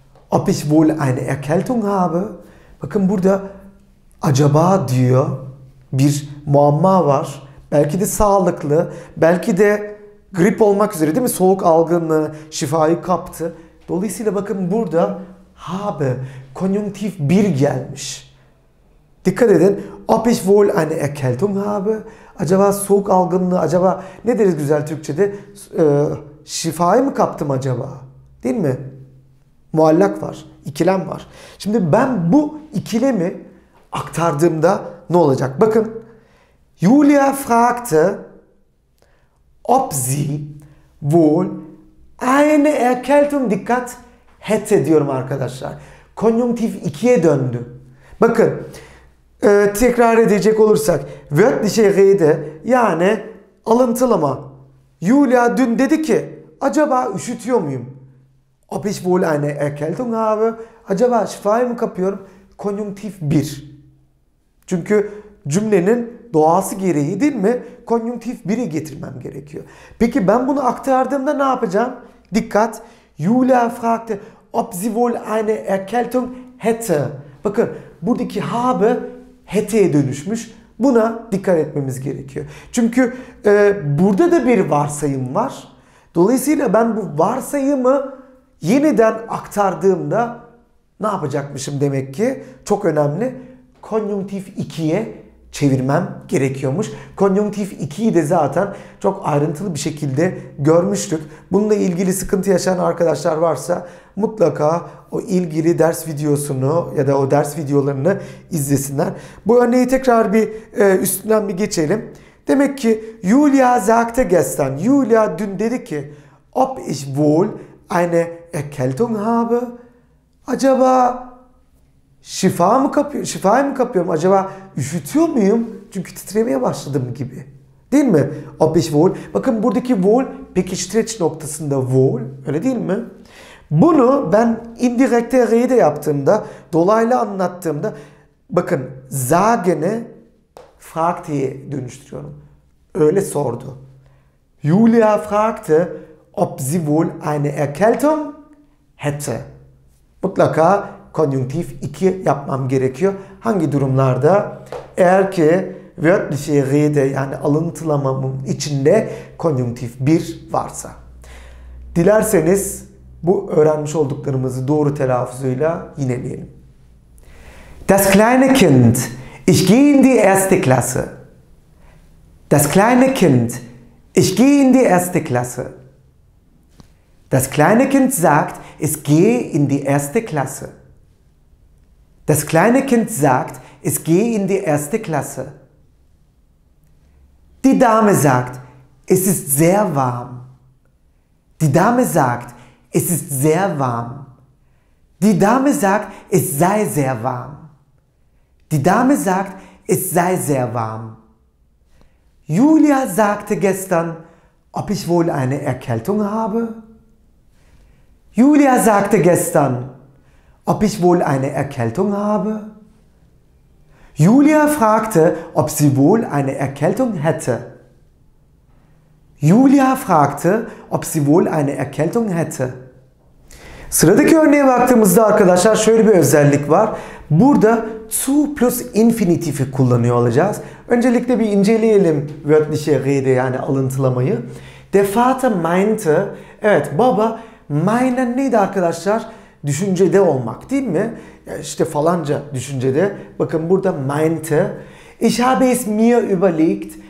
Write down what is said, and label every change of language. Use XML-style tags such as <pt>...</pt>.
<de>Ob ich wohl eine Erkältung habe?</de> <tr>Bakın burada acaba diyor bir muamma var. Belki de sağlıklı, belki de grip olmak üzere değil mi? Soğuk algınlığı şifayı kaptı. Dolayısıyla bakın burada habe konjunktif 1 gelmiş. Dikkat edin.</tr> <de>Ob ich wohl eine Erkältung habe?</de> <tr>Acaba soğuk algınlığı, acaba ne deriz güzel Türkçe'de? Şifayı mı kaptım acaba? Değil mi? Muallak var. İkilem var. Şimdi ben bu ikilemi aktardığımda ne olacak? Bakın.</tr> <de>Julia fragte, ob sie wohl eine Erkältung,</de> <tr>dikkat, hätte diyorum arkadaşlar. Konjunktif 2'ye döndü. Bakın, tekrar edecek olursak,</tr> <de>wörtliche Rede</de> <tr>yani alıntılama. Julia dün dedi ki, acaba üşütüyor muyum?</tr> <de>Ob ich wohl eine Erkältung habe?</de> <tr>Acaba şifayı mı kapıyorum? Konjunktif 1. Çünkü cümlenin doğası gereği değil mi? Konjunktif 1'i getirmem gerekiyor. Peki ben bunu aktardığımda ne yapacağım? Dikkat!</tr> <de>Julia fragte, ob sie wohl eine Erkältung hätte.</de> <tr>Bakın, buradaki habe hätte'ye dönüşmüş. Buna dikkat etmemiz gerekiyor. Çünkü burada da bir varsayım var. Dolayısıyla ben bu varsayımı yeniden aktardığımda ne yapacakmışım demek ki? Çok önemli. Konjunktif 2'ye çevirmem gerekiyormuş. Konjunktif 2'yi de zaten çok ayrıntılı bir şekilde görmüştük. Bununla ilgili sıkıntı yaşayan arkadaşlar varsa mutlaka o ilgili ders videosunu ya da o ders videolarını izlesinler. Bu örneği tekrar bir üstünden bir geçelim. Demek ki</tr> <de>Julia sagte gestern.</de> <tr>Julia dün dedi ki</tr> <de>ob ich wohl eine Erkältung habe?</de> <tr>Acaba şifayı mı kapıyorum? Acaba üşütüyor muyum? Çünkü titremeye başladım gibi. Değil mi?</tr> <de>Ob ich wohl.</de> <tr>Bakın buradaki wohl pekiştireç noktasında wohl. Öyle değil mi? Bunu ben indirekte rede yaptığımda, dolaylı anlattığımda, bakın sagen'i fragte'ye dönüştürüyorum. Öyle sordu.</tr> <de>Julia fragte, ob sie wohl eine Erkältung hätte.</de> <tr>Mutlaka konjunktif 2 yapmam gerekiyor. Hangi durumlarda? Eğer ki</tr> <de>wörtliche rede</de> <tr>yani alıntılamamın içinde konjunktif 1 varsa. Dilerseniz bu öğrenmiş olduklarımızı doğru telaffuzuyla yineleyelim.</tr> <de>Das kleine Kind. Ich gehe in die erste Klasse. Das kleine Kind. Ich gehe in die erste Klasse. Das kleine Kind sagt, es gehe in die erste Klasse. Das kleine Kind sagt, es gehe in die erste Klasse. Die Dame sagt, es ist sehr warm. Die Dame sagt, es ist sehr warm. Die Dame sagt, es sei sehr warm. Die Dame sagt, es sei sehr warm. Julia sagte gestern, ob ich wohl eine Erkältung habe? Julia sagte gestern, ob ich wohl eine Erkältung habe? Julia fragte, ob sie wohl eine Erkältung hätte. Julia fragte, ob sie wohl eine Erkältung hätte.</de> <tr>Sıradaki örneğe baktığımızda arkadaşlar şöyle bir özellik var. Burada zu plus infinitifi kullanıyor olacağız. Öncelikle bir inceleyelim</tr> <de>wörtliche Rede</de> <tr>yani alıntılamayı.</tr> <de>Der Vater meinte,</de> <tr>evet baba meinen neydi arkadaşlar? Düşüncede olmak değil mi? İşte falanca düşüncede. Bakın burada meinte.</tr> <de>Ich habe es mir überlegt.</de>